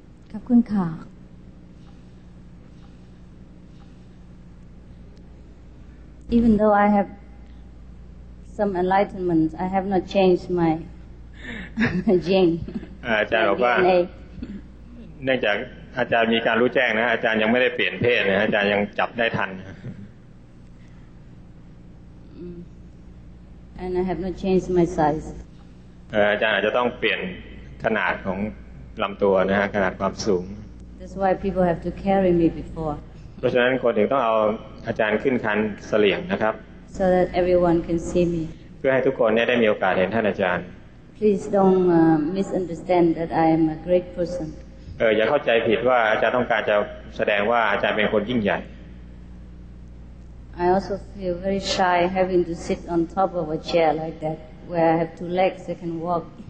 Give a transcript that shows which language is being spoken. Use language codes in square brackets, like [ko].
[th] ขอบคุณค่ะ [en] Even though I have some enlightenment, I have not changed my gene. [th] อาจารย์บอกว่าเนื่องจากอาจารย์มีการรู้แจ้งนะอาจารย์ยังไม่ได้เปลี่ยนเพศนะอาจารย์ยังจับได้ทัน [en] And I have not changed my size. [th] อาจารย์อาจจะต้องเปลี่ยนขนาดของลำตัวนะฮะขนาดความสูง [en] That's why people have to carry me before [th] เพราะฉะนั้นคนถึงต้องเอาอาจารย์ขึ้นคันเสลี่ยงนะครับ [en] So that everyone can see me [th] เพื่อให้ทุกคนได้มีโอกาสเห็นท่านอาจารย์ [en] Please don't misunderstand that I am a great person [th] อย่าเข้าใจผิดว่าอาจารย์ต้องการจะแสดงว่าอาจารย์เป็นคนยิ่งใหญ่ [en] I also feel very shy having to sit on top of a chair like thatWhere I have two legs, I can walk.